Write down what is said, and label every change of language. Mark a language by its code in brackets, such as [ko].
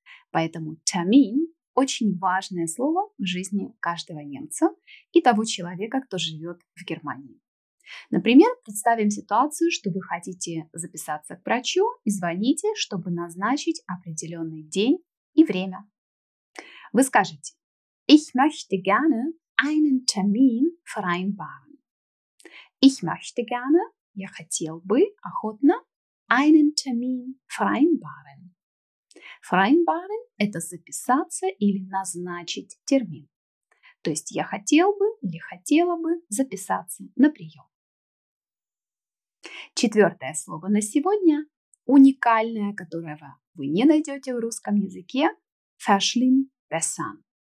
[ru] Поэтому Termin – очень важное слово в жизни каждого немца и того человека, кто живет в Германии. Например, представим ситуацию, что вы хотите записаться к врачу и звоните, чтобы назначить определенный день и время. Вы скажете: [de] Ich möchte gerne einen Termin vereinbaren. Ich möchte gerne, [ru] я хотел бы, охотно, [de] einen Termin vereinbaren. [ru] Vereinbaren – это записаться или назначить термин. То есть я хотел бы или хотела бы записаться на прием. Четвертое слово на сегодня, уникальное, которого вы не найдете в русском языке – verschlimmbessern.